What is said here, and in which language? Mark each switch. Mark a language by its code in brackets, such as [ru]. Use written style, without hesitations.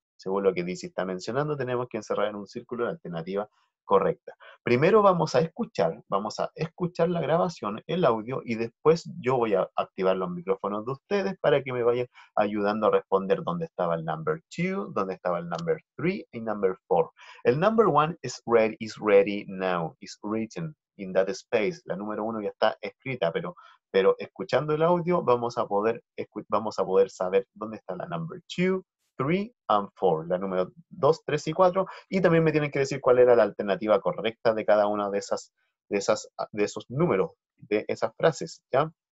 [es] Según lo que Dizzy está mencionando, tenemos que encerrar en un círculo la alternativa correcta. Primero vamos a escuchar la grabación, el audio, y después yo voy a activar los micrófonos de ustedes para que me vayan ayudando a responder dónde estaba el number 2, dónde estaba el number 3 y number 4. El [en] number 1 is ready now, is written in that space. [es] La número 1 ya está escrita, pero escuchando el audio vamos a poder saber dónde está la number 2. [en] 3 and 4, [es] la número 2, 3 y 4, y también me tienen que decir cuál era la alternativa correcta de cada una de esos números, de esas frases, ¿ya?